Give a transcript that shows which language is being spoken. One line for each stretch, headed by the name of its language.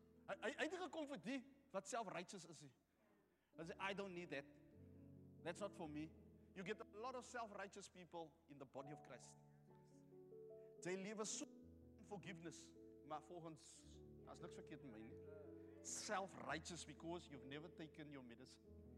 Afrikaans: Hy het gekom vir die wat self righteous is. Hy sê,
English: I don't need that. That's not for me. You get a lot of self-righteous people in the body of Christ. They live a soul forgiveness.
Afrikaans: Maar volgens, daar is niks verkeerd in my nie.
English: Self-righteous because you've never taken your medicine.